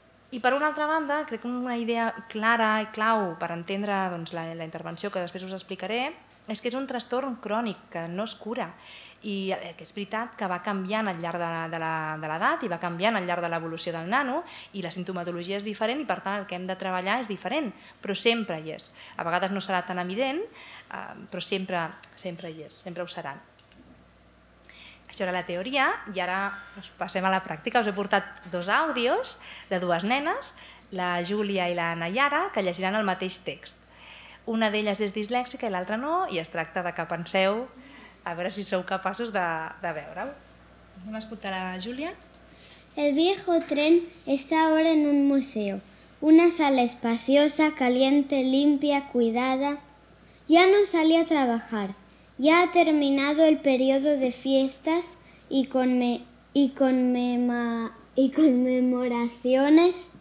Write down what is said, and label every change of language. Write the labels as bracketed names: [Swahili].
[Catalan] I per una altra banda, crec que una idea clara i clau per entendre doncs, la intervenció que després us explicaré és que és un trastorn crònic que no es cura i que és veritat que va canviant al llarg de l'edat i va canviant al llarg de l'evolució del nano i la sintomatologia és diferent i per tant el que hem de treballar és diferent, però sempre hi és. A vegades no serà tan evident, però sempre hi és, sempre ho serà. Això era la teoria i ara us passem a la pràctica. Us he portat dos àudios de dues nenes, la Júlia i la Nayara, que llegiran el mateix text. Una d'elles és dislèxica i l'altra no, i es tracta de que penseu a veure si sou capaços de veure-ho. Vam escoltar la Júlia. [Spanish] El viejo tren está ahora en un museo. Una sala espaciosa, caliente, limpia, cuidada. Ya no salí a trabajar. Ya ha terminado el periodo de fiestas y conmemoraciones.